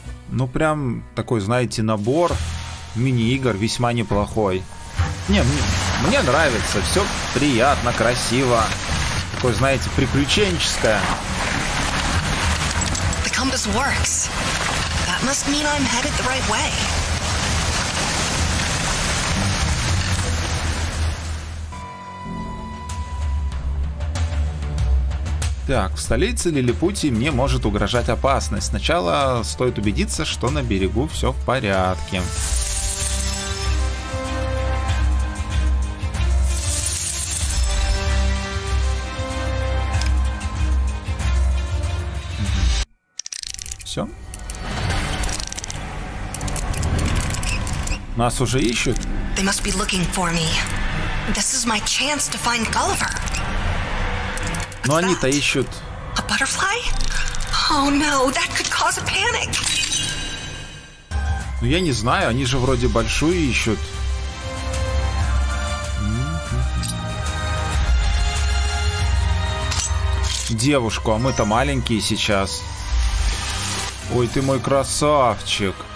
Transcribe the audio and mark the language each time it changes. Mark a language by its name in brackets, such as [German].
[Russian] Ну, прям такой, знаете, набор... Мини-игр весьма неплохой. Не, мне нравится. Все приятно, красиво. Такое, знаете, приключенческое. [English] The compass works. That must mean I'm headed the right way. [Russian] Так, в столице Лилипутии мне может угрожать опасность. Сначала стоит убедиться, что на берегу все в порядке. Нас уже ищут. [English] They must be looking for me. This is my chance to find Gulliver. [Russian] Но они-то ищут. [English] A butterfly? Oh no, that could cause a panic. [Russian] Ну я не знаю, они же вроде большую ищут. Девушку, а мы-то маленькие сейчас. Ой, ты мой красавчик.